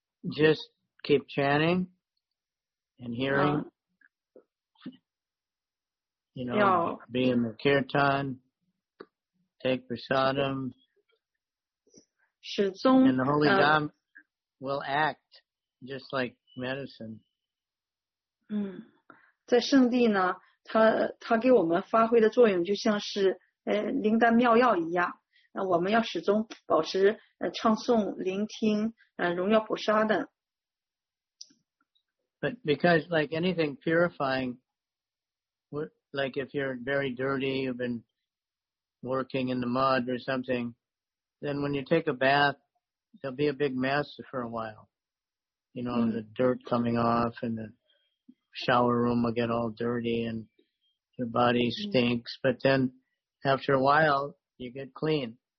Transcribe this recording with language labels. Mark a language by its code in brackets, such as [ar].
[en] Just keep chanting and hearing, be in the kirtan, take prasadam, and the Holy Dhamma will act just like medicine. [zh] 在圣地呢，它给我们发挥的作用就像是灵丹妙药一样。那我们要始终保持唱诵、聆听荣耀菩萨的。 [en] But because like anything purifying, like if you're very dirty, you've been working in the mud or something, then when you take a bath, there'll be a big mess for a while. You know, the dirt coming off and the shower room will get all dirty and your body stinks, but then after a while you get clean.